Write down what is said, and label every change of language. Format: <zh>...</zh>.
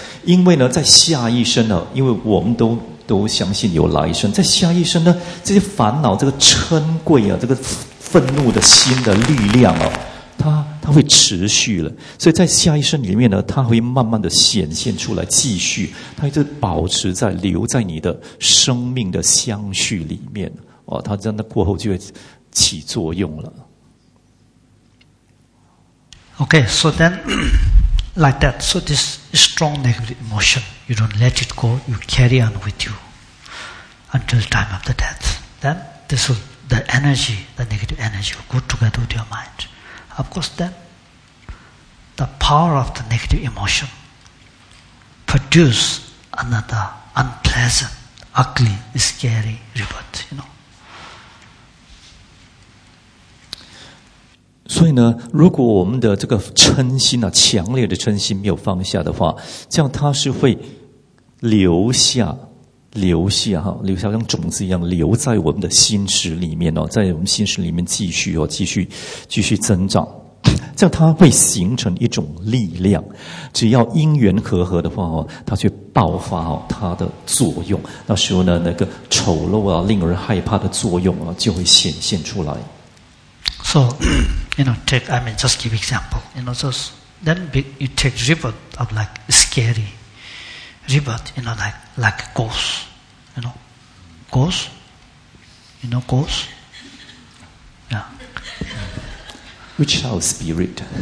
<zh>因为呢，在下一生呢，因为我们都相信有来生，在下一生呢，这些烦恼、这个嗔贵啊、这个愤怒的心的力量哦。它会持续了，所以在下一生里面呢，它会慢慢的显现出来，继续，它一直保持在留在你的生命的相续里面，哦，它在那过后就会起作用了。</zh> <en>Okay, so then like that, so this strong negative emotion, you don't let it go, you carry on with you until time of the death. Then this will, the energy, the negative energy, will go together with your mind. Of course, then the power of the negative emotion produces another unpleasant, ugly, scary rebirth. You know.</en> <zh>所以呢，如果我们的这个嗔心啊，强烈的嗔心没有放下的话，这样它是会留下像种子一样留在我们的心识里面哦，在我们心识里面继续增长。这样它会形成一种力量，只要因缘合的话，它去爆发它的作用，那时候呢，那个丑陋啊，令人害怕的作用啊，就会显现出来。</zh> <en>So, you know, just give example. You know, just then you take rebirth of like scary rebirth. You know, like ghost. You know, ghost. You know, ghost. Yeah. Which is our spirit?</en>